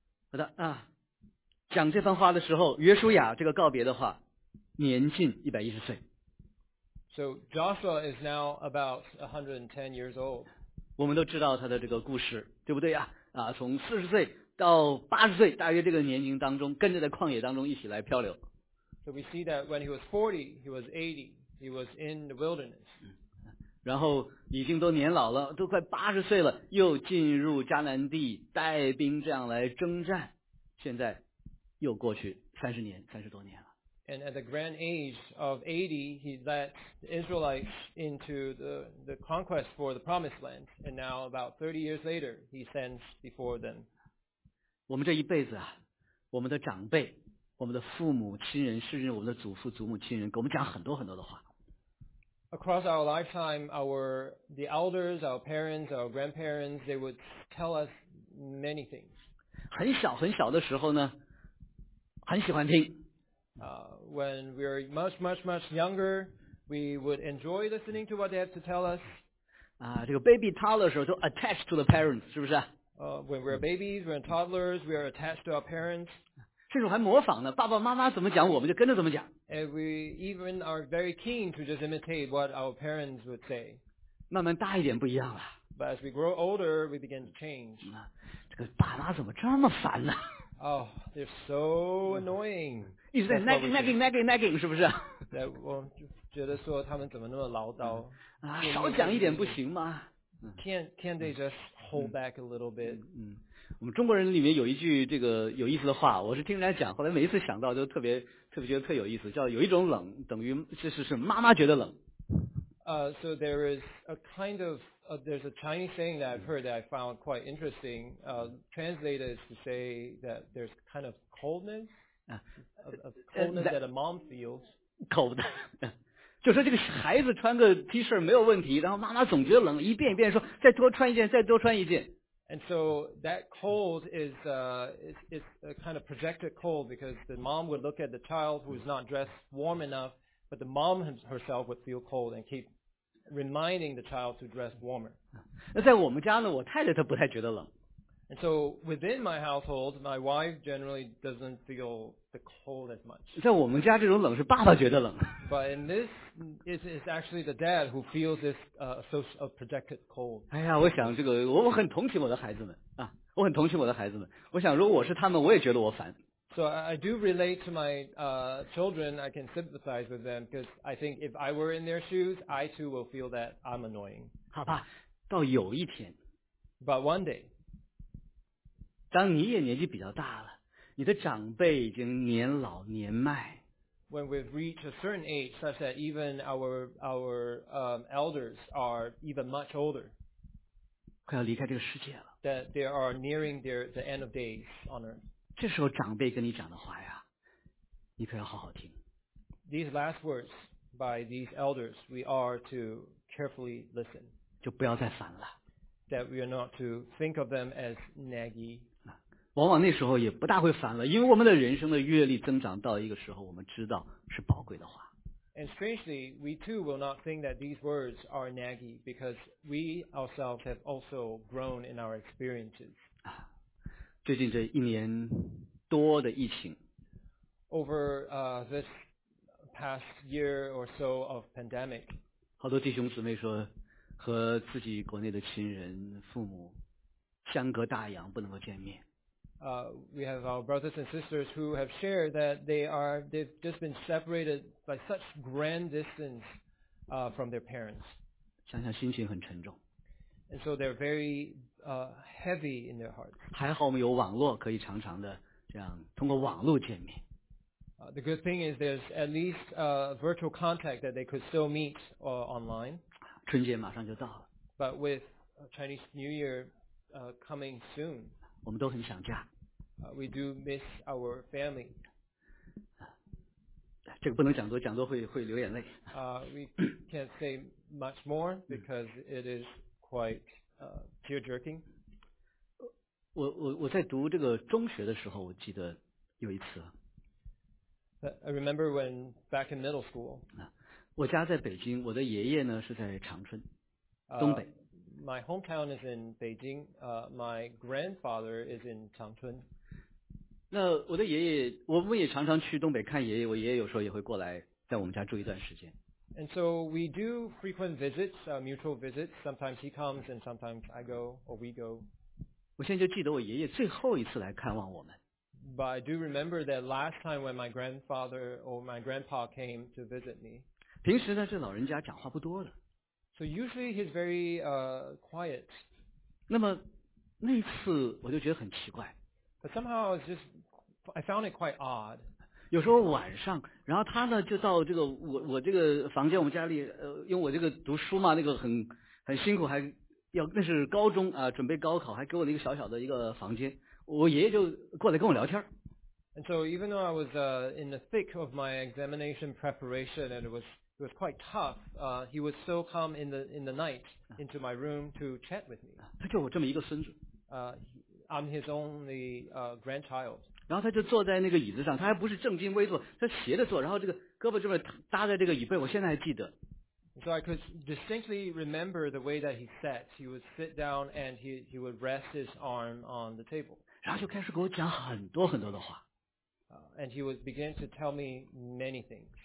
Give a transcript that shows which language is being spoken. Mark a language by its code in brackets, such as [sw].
[zh] 好的啊，讲这番话的时候，约书亚这个告别的话，年近110岁。 [en] So Joshua is now about 110 years old. [zh] 我们都知道他的这个故事，对不对呀？啊，从40岁到80岁，大约这个年龄当中，跟着在旷野当中一起来漂流。 [en] So we see that when he was 40, he was 80. He was in the wilderness. [zh] 然后已经都年老了，都快八十岁了，又进入迦南地带兵这样来征战。现在又过去三十多年了。 [en] And at the grand age of 80, he led the Israelites into the conquest for the promised land. And now about 30 years later, he stands before them. [zh] 我们这一辈子啊，我们的长辈、我们的父母亲人，甚至我们的祖父祖母亲人，给我们讲很多很多的话。 [en] Across our lifetime, the elders, our parents, our grandparents, they would tell us many things. [zh] 很小很小的时候呢，很喜欢听。 [en] When we were much, much, much younger, we would enjoy listening to what they have to tell us. [zh] 这个 [en] baby toddler [zh] 的时候就 [en] attached to the parents, [zh] 是不是？ [en] When we're babies, we're toddlers, we are attached to our parents. [zh] 甚至还模仿呢，爸爸妈妈怎么讲，我们就跟着怎么讲。 [en] And we even are very keen to just imitate what our parents would say. [zh] 慢慢大一点不一样了。 [en] But as we grow older, we begin to change. [zh] 这个爸妈怎么这么烦呢 [en] ？Oh, they're so annoying. [zh] 一直在 nagging, 是不是？对，我就觉得说他们怎么那么唠叨？少讲一点不行吗 [en] ？Can't they just hold back a little bit? [zh] 我们中国人里面有一句这个有意思的话，我是听人家讲，后来每一次想到都特别特别觉得特有意思，叫有一种冷等于是妈妈觉得冷。 [en] So there is a kind of there's a Chinese saying that I've heard that I found quite interesting. Translated is to say that there's kind of coldness, a coldness that a mom feels. Cold. [zh] 就说这个孩子穿个 T 恤没有问题，然后妈妈总觉得冷，一遍一遍说再多穿一件，再多穿一件。 [en] And so that cold is a kind of projected cold because the mom would look at the child who is not dressed warm enough, but the mom herself would feel cold and keep reminding the child to dress warmer. [zh] 那在我们家呢，我太太她不太觉得冷。 [en] And so within my household, my wife generally doesn't feel the cold as much. [zh] 在我们家这种冷是爸爸觉得冷。 [en] But in this, it's actually the dad who feels this source of projected cold. [zh] 哎呀，我想这个，我很同情我的孩子们啊，我很同情我的孩子们。我想如果我是他们，我也觉得我烦。 [en] So I do relate to my children. I can sympathize with them because I think if I were in their shoes, I too will feel that I'm annoying. [zh] 好吧，到有一天。 [en] But one day. [zh] 当你也年纪比较大了，你的长辈已经年老年迈。 [en] When we've reached a certain age, such that even our elders are even much older. [zh] 快要离开这个世界了。 [en] That they are nearing the end of days on earth. [zh] 这时候长辈跟你讲的话呀，你可要好好听。 [en] These last words by these elders, we are to carefully listen. [zh] 就不要再烦了。 [en] That we are not to think of them as naggy. [zh] 往往那时候也不大会烦了，因为我们的人生的阅历增长到一个时候，我们知道是宝贵的话。 [en] And strangely, we too will not think that these words are naggy because we ourselves have also grown in our experiences. [zh] 最近这一年多的疫情。 [en] Over this past year or so of pandemic. [zh] 好多弟兄姊妹说，和自己国内的亲人、父母相隔大洋，不能够见面。 [en] We have our brothers and sisters who have shared that they've just been separated by such grand distance from their parents. [zh] 想想心情很沉重。 [en] And so they're very heavy in their hearts. [zh] 还好我们有网络，可以常常的这样通过网络见面。 [en] The good thing is there's at least a virtual contact that they could still meet online. [zh] 春节马上就到了。 [en] But with Chinese New Year coming soon. [zh] 我们都很想家。 [en] We do miss our family. [zh] 这个不能讲多，讲多会流眼泪。 [en] We can't say much more because it is quite tear-jerking. [zh] 我在读这个中学的时候，我记得有一次。 [en] I remember when back in middle school. [zh] 我家在北京，我的爷爷呢是在长春，东北。 [en] My hometown is in Beijing. My grandfather is in Changchun. [zh] 那我的爷爷，我们也常常去东北看爷爷。我爷爷有时候也会过来，在我们家住一段时间。 [en] And so we do frequent visits, mutual visits. Sometimes he comes, and sometimes I go, or we go. [zh] 我现在就记得我爷爷最后一次来看望我们。 [en] But I do remember that last time when my grandfather or my grandpa came to visit me. [zh] 平时呢，这老人家讲话不多的。 [en] So usually he's very quiet. [zh] 那么那次我就觉得很奇怪。 [en] But somehow I found it quite odd. [zh] 有时候晚上，然后他呢就到这个我这个房间，我们家里因为我这个读书嘛，那个很辛苦，还要那是高中啊，准备高考，还给我了一个小小的一个房间。我爷爷就过来跟我聊天。 [en] And so even though I was in the thick of my examination preparation and it was quite tough. He would still come in the night into my room to chat with me. [zh] 他就我这么一个孙子。 [en] I'm his only grandchild. [zh] 然后他就坐在那个椅子上，他还不是正襟危坐，他斜着坐，然后这个胳膊这么搭在这个椅背，我现在还记得。 [en] So I could distinctly remember the way that he sat. He would sit down and he would rest his arm on the table. [zh] 然后就开始给我讲很多很多的话。 [en] And he would begin to tell me many things.